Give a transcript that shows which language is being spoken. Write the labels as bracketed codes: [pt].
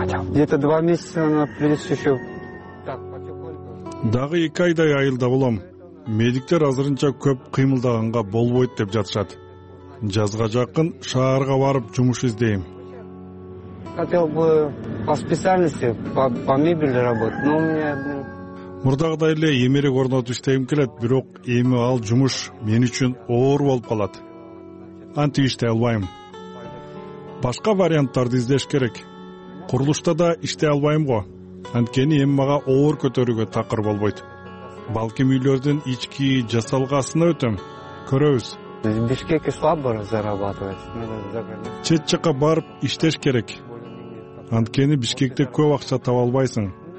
[ru] Где-то 2 месяца на плюс еще. [ky] Дагы 2 айдай айылда болом. Медиктер азырынча көп кыймылдаганга болбойт деп жатышат. Жазга жакын шаарга барып жумуш издейм. [ru] Хотел бы по специальности по мебели работать, но у меня [ky] мурдагыдай эле эмерек орнотуп иштегим келет, бирок эми ал жумуш мен үчүн оор болуп калат. Антип иштей албайм. Башка варианттарды издеш керек. Курулушта да иштей албайм го. Анткени эми мага оор көтөрүүгө такыр болбойт. Балким үйлөрдүн ички жасалгасына өтөм. Көрөбүз. [ru] Бишкекке слабо зарабатывать. [ky] Чет жака барып иштеш керек. анткени Бишкекте көп акча таба албайсың.